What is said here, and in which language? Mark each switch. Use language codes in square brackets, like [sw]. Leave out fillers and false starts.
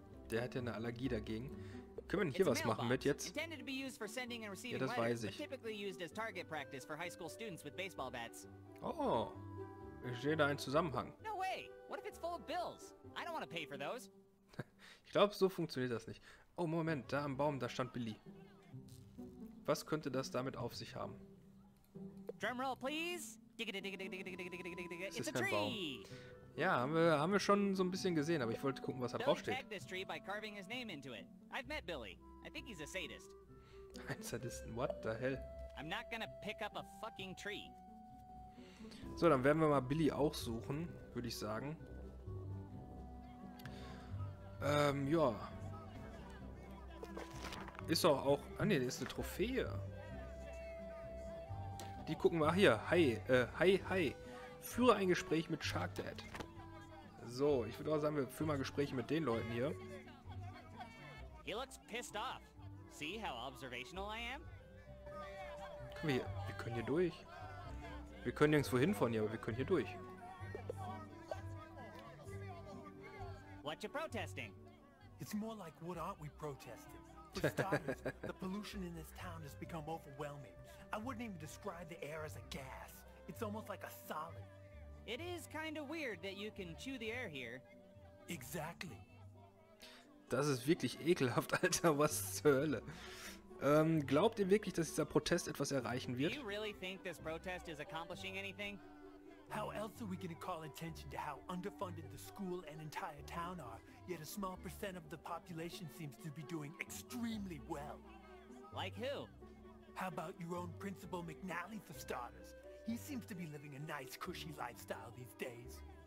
[de] Der hat ja eine Allergie dagegen. Können wir hier was machen mit jetzt? [en] Intended to be used for sending and receiving [de] ja, das weiß ich. [en] Typically used as target practice for high school students with baseball bats. Oh. [de] Ich sehe da einen Zusammenhang. [en] No way. What if it's full of bills? I don't want to pay for those. [de] Ich glaube, so funktioniert das nicht. Oh, Moment, da am Baum, da stand Billy. Was könnte das damit auf sich haben? [en] Drumroll, please. It's a tree. [de] Ja, haben wir schon so ein bisschen gesehen, aber ich wollte gucken, was da draufsteht. [en] Don't tag this tree by carving his name into it. I've met Billy. I think he's a sadist. [de] Ein Sadist? [en] What the hell? I'm not gonna pick up a fucking tree. [de] So, dann werden wir mal Billy auch suchen, würde ich sagen. Ja. Ist doch auch... Ah ne, ist eine Trophäe. Die gucken wir hier. Hi. Führe ein Gespräch mit Shark Dad. So, ich würde auch sagen, wir führen mal Gespräche mit den Leuten hier. [en] He looks pissed off. See how observational I am? [de] Komm hier, wir können hier durch. Wir können nirgends wohin von hier, aber wir können hier durch. [en] What you protesting? It's more like what aren't we protesting? For starters, the pollution in this town has become overwhelming. I wouldn't even describe the air as a gas. It's almost like a solid. It is kind of weird that you can chew the air here. Exactly. [de] Das ist wirklich ekelhaft, Alter. Was zur Hölle? Glaubt ihr wirklich, dass dieser Protest etwas erreichen wird? [en] Do you really think this protest is accomplishing anything? How else are we going to call attention to how underfunded the school and entire town are, yet a small percent of the population seems to be doing extremely well? Like who? How about your own Principal McNally, for starters? He seems to be living a nice, cushy lifestyle these days.